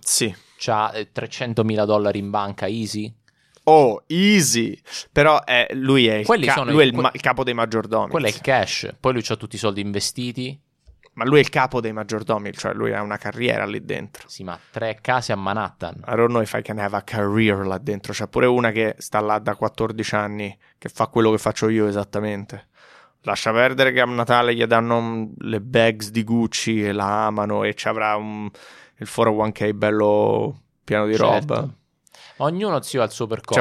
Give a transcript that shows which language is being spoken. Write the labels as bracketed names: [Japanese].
[Italian] Sì. C'ha $300,000 in banca, easy. Oh, easy. Però lui è, il capo dei maggiordomi. Quello è il cash. Poi lui c'ha tutti i soldi investiti. Ma lui è il capo dei maggiordomi, cioè lui ha una carriera lì dentro. Sì, ma tre case a Manhattan. [English] I don't know if I can have a career [Italian] là dentro. C'è pure una che sta là da 14 anni, che fa quello che faccio io esattamente. Lascia perdere che a Natale gli danno le bags di Gucci e la amano e ci avrà il 401k bello pieno di roba. Ognuno zio ha il suo percorso.